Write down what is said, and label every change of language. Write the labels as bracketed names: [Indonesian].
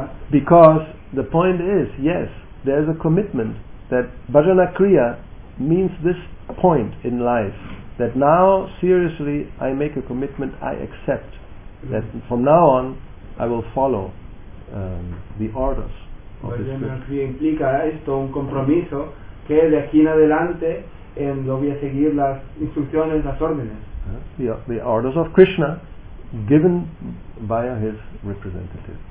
[English] Because the point is, yes, there's a commitment that Bhajana Kriya means this point in life, that now, seriously, I make a commitment, I accept that from now on I will follow the orders. [Spanish] Bhajana implica esto, un compromiso que de aquí en adelante lo voy a seguir las instrucciones, las órdenes. [English] The orders of Krishna given via his representative.